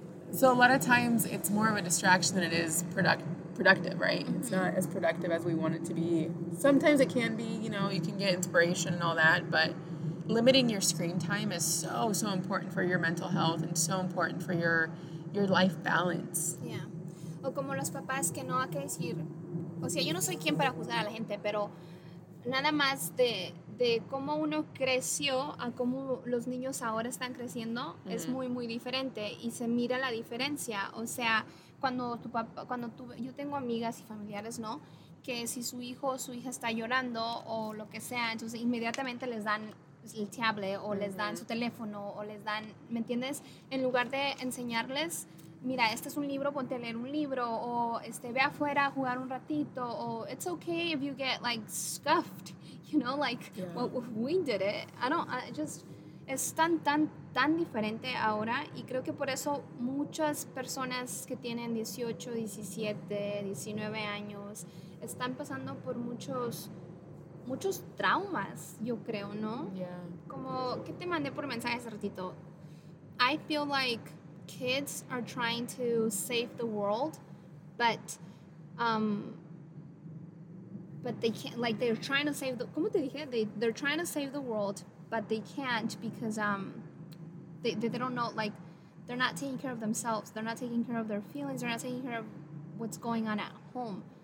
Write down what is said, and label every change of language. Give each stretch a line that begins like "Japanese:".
English: So a lot of times it's more of a distraction than it is productive, right? Mm-hmm. It's not as productive as we want it to be. Sometimes it can be, you know, you can get inspiration and all that, but limiting your screen time is so, so important for your mental health and so important for your life balance. Yeah.
Spanish: O como los papás que no hay que decir, o sea, yo no soy quien para juzgar a la gente, pero nada más de cómo uno creció a cómo los niños ahora están creciendo, mm-hmm. es muy, muy diferente y se mira la diferencia. O sea, yo tengo amigas y familiares, ¿no? Que si su hijo o su hija está llorando o lo que sea, entonces inmediatamente les dan el tablet o les dan su teléfono o les dan, ¿me entiendes? En lugar de enseñarles, mira, este es un libro, ponte a leer un libro o ve afuera a jugar un ratito o
English: it's okay if you get like scuffed, you know, like well, we did it.
Spanish: Es tan diferente ahora y creo que por eso muchas personas que tienen 18, 17, 19 años están pasando por muchos traumas, yo creo, ¿no?
English: Yeah.
Spanish: Como, ¿qué te mandé por mensaje hace ratito?
English: I feel like kids are trying to save the world, but they can't, like, they're trying to save the,
Spanish: ¿cómo te dije?
English: They're trying to save the world, but they can't because they don't know, like, they're not taking care of themselves, they're not taking care of their feelings, they're not taking care of what's going on at home.